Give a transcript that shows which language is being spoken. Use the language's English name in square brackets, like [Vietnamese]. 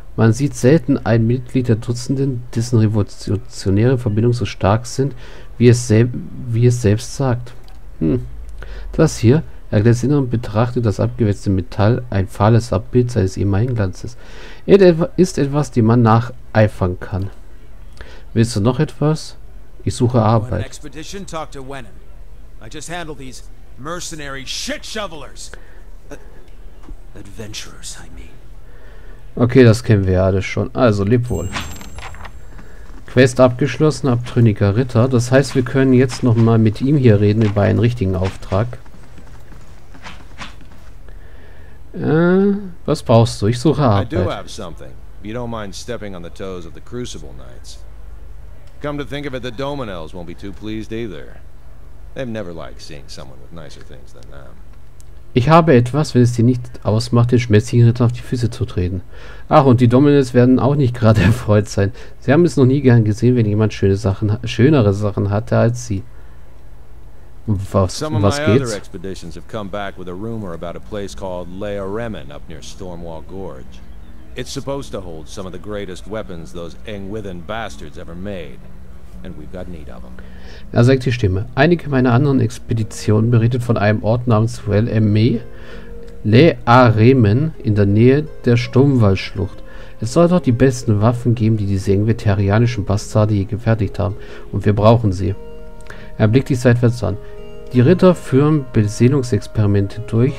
[German] Man sieht selten ein Mitglied der Dutzenden, dessen revolutionäre Verbindungen so stark sind, wie es selbst sagt. Das hier, er lässt innen und betrachtet das abgewetzte Metall, ein fahles Abbild seines ehemaligen Glanzes. Ist etwas, dem man nacheifern kann. Willst du noch etwas? Ich suche Arbeit. [English] Expedition, talk to Wenin. I just handle these mercenary shit shovelers. Adventurers, I mean. [German] Okay, das kennen wir ja alles schon. Also, leb wohl. Quest abgeschlossen, abtrünniger Ritter. Das heißt, wir können jetzt nochmal mit ihm hier reden über einen richtigen Auftrag. Was brauchst du? Ich suche Arbeit. Ich habe etwas. [English] Du don't mind stepping on the toes of the Crucible Knights. Come to think of it, the Dominels won't be too pleased either. They've never liked seeing someone with nicer things than them. [German] Ich habe etwas, wenn es dir nicht ausmacht, den schmerzigen Ritter auf die Füße zu treten. Ach, und die Dominels werden auch nicht gerade erfreut sein. Sie haben es noch nie gern gesehen, wenn jemand schönere Sachen hatte als sie. Was geht's? [English] Some expeditions have come back with a rumor about a place called Lea Remen up near Stormwall Gorge. It's supposed to hold some of the greatest weapons those Angwithin bastards ever made. And we've got need of them. [German] Er sagt die Stimme. Einige meiner anderen Expeditionen berichtet von einem Ort namens Lea Remen in der Nähe der Sturmwallschlucht. Es soll dort die besten Waffen geben, die diese engveterianischen Bastarde je gefertigt haben. Und wir brauchen sie. Er blickt dich seitwärts an. Die Ritter führen Beseelungsexperimente durch.